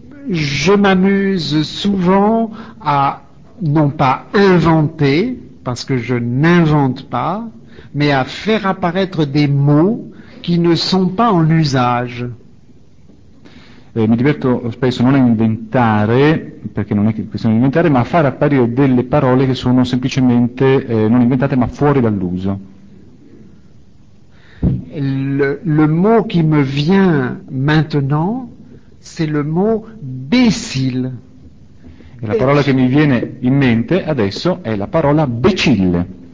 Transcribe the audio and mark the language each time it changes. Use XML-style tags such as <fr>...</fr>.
<fr>Je m'amuse souvent à non pas inventer, parce que je n'invente pas, mais à faire apparaître des mots qui ne sont pas en usage.</fr> <it>Mi diverto spesso non a inventare, perché non è questione di inventare, ma a far apparire delle parole che sono semplicemente non inventate, ma fuori dall'uso.</it> <fr>Le mot qui me vient maintenant, c'est le mot « bécile ».</fr> <it>E la parola che mi viene in mente adesso è la parola becille.</it>